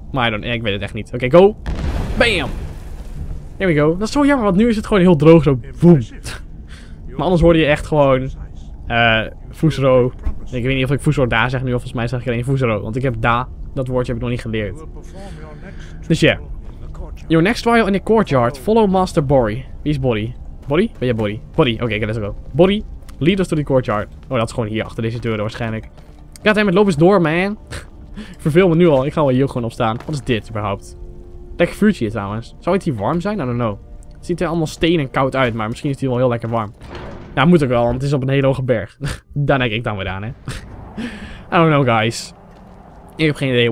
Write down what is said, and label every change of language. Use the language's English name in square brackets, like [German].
[Dutch] Maar ik weet het echt niet. Oké, go. Bam. [English] Here we go. [Dutch] Dat is zo jammer, want nu is het gewoon heel droog. Zo, boom. Maar anders hoorde je echt gewoon... Fusero. Ik weet niet of ik Fusero da zeg nu. Of volgens mij zeg ik alleen Fusero. Want ik heb da. Dat woordje heb ik nog niet geleerd. Dus ja. [English] Your next trial in the courtyard. Follow Master Bori. [Dutch] Wie is Bori? Bori? Ben jij Bori? Bori. Oké, [English] let's go. [Dutch] Bori. [English] Lead us to the courtyard. [Dutch] Oh, dat is gewoon hier achter deze deuren waarschijnlijk. Goddammit, loop eens door, man. Verveel me nu al. Ik ga wel hier gewoon opstaan. Wat is dit überhaupt? Lekker vuurtje hier trouwens. Zou het hier warm zijn? [English] I don't know. [Dutch] Het ziet er allemaal steen en koud uit, maar misschien is het hier wel heel lekker warm. Nou, moet ook wel, want het is op een hele hoge berg. Daar denk ik dan weer aan, hè. [English] I don't know, guys. [Dutch] Ik heb geen idee.